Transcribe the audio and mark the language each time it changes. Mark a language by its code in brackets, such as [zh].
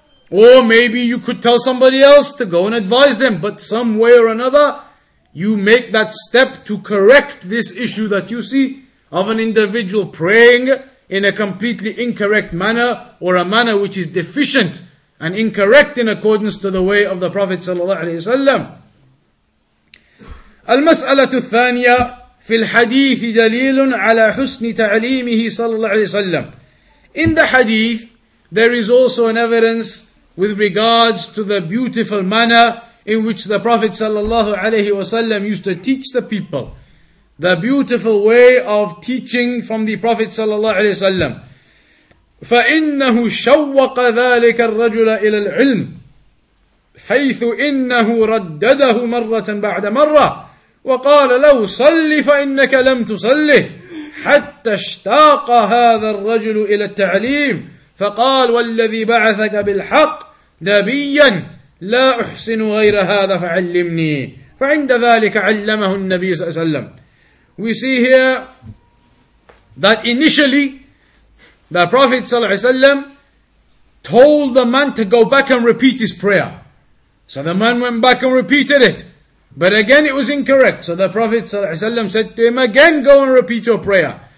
[en] Or maybe you could tell somebody else to go and advise them, but some way or another, you make that step to correct this issue that you see of an individual praying in a completely incorrect manner, or a manner which is deficient and incorrect in accordance to the way of the Prophet ﷺ. [ar] المسألة الثانية في الحديث دليل على حسن تعليمه صلى الله عليه وسلم. [en] In the hadith, there is also an evidence with regards to the beautiful manner in which the Prophet sallallahu alaihi wasallam used to teach the people. The beautiful way of teaching from the Prophet sallallahu alaihi wasallam. [ar] فَإِنَّهُ شَوَّقَ ذَلِكَ الرَّجُلَ إِلَى الْعِلْمِ حَيْثُ إِنَّهُ رَدَّدَهُ مَرَّةً بَعْدَ مَرَّةً وَقَالَ لَوْ صَلِّ فَإِنَّكَ لَمْ تُصَلِّهُ حَتَّى اشْتَاقَ هَذَا الرَّجُلُ إِلَى التَّعْلِيمِ فقال والذي بعثك بالحق نبيا لا أحسن غير هذا فعلمني فعند ذلك علمه النبي صلى الله عليه وسلم. [en] We see here that initially the Prophet صلى الله عليه وسلم told the man to go back and repeat his prayer. So the man went back and repeated it, but again it was incorrect. So the Prophet صلى الله عليه وسلم said to him, again go and repeat your prayer.